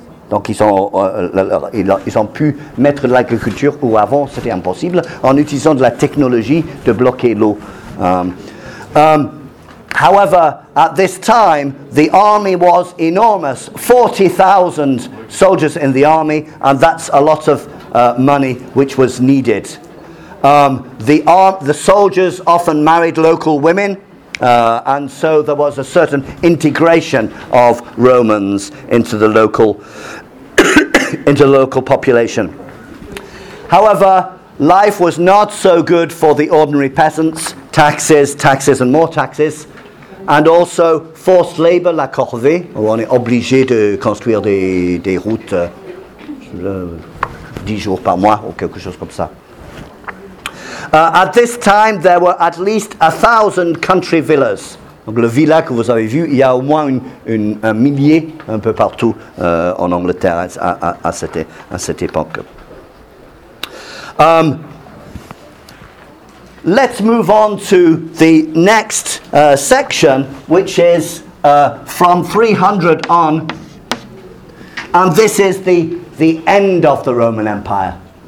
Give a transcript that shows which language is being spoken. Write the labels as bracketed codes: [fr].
[fr] Donc ils ont pu mettre de l'agriculture où avant c'était impossible en utilisant de la technologie de bloquer l'eau. [en] However, at this time, the army was enormous. 40,000 soldiers in the army, and that's a lot of money which was needed. The soldiers often married local women. And so there was a certain integration of Romans into the local into the local population. However, life was not so good for the ordinary peasants. Taxes, and more taxes, and also forced labour, [fr] la corvée, où on est obligé de construire des routes 10 jours par mois ou quelque chose comme ça. [en] At this time, there were at least 1,000 country villas. [fr] Donc le villa que vous avez vu, il y a au moins un millier un peu partout en Angleterre à cette époque. [en] Let's move on to the next section, which is from 300 on, and this is the end of the Roman Empire.